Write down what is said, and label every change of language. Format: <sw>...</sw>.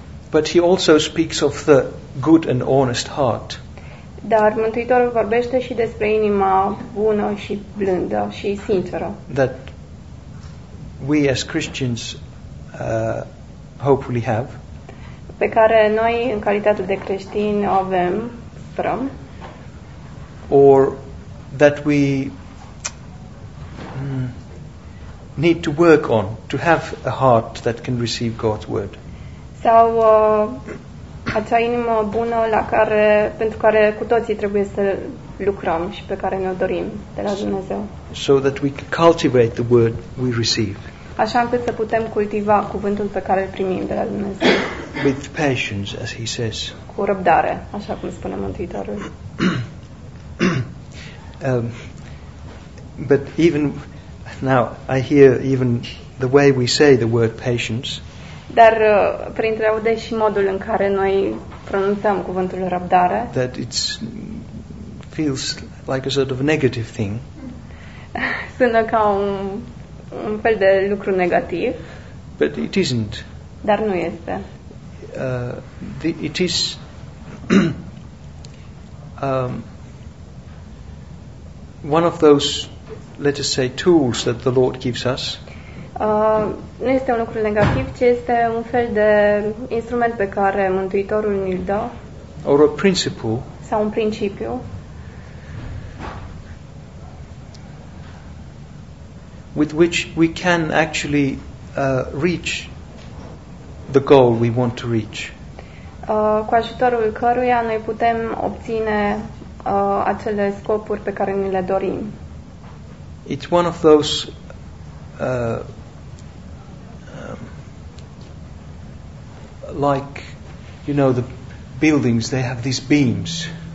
<en>But he also speaks of the good and honest heart.</en> <ro>Dar Mântuitorul vorbește și despre inima bună și blândă și sinceră.</ro> <en>That we as Christians hopefully have.</en> <ro>Pe care noi în calitate de creștini o avem, sperăm.</ro> <en>Or that we need to work on to have a heart that can receive God's word.</en> <ro>Sau acea inimă bună la care, pentru care cu toții trebuie să lucrăm și pe care ne-o dorim de la Dumnezeu.</ro> <en>So that we cultivate the word we receive.</en> <ro>Așa încât să putem cultiva cuvântul pe care îl primim de la Dumnezeu.</ro> <en>With patience, as he says.</en> <ro>Cu răbdare, așa cum spune Mântuitorul.</ro> <en>But even now I hear even the way we say the word patience.</en> <ro>Dar printre aude și modul în care noi pronunțăm cuvântul răbdare.</ro> <en>That it feels like a sort of negative thing.</en> <ro>Sună ca un fel de lucru negativ.</ro> <en>But it isn't.</en> <ro>Dar nu este.</ro> <en>It is one of those, let us say, tools that the Lord gives us.</en> <ro>Nu este un lucru negativ, ci este un fel de instrument pe care Mântuitorul ni-l dă.</ro> <en>Or a principle.</en> <ro>Sau un principiu.</ro> <en>With which we can actually reach the goal we want to reach.</en> <ro>Cu ajutorul căruia noi putem obține acele scopuri pe care ni le dorim.</ro> <en>It's one of those like, you know, the buildings, they have these beams.</en>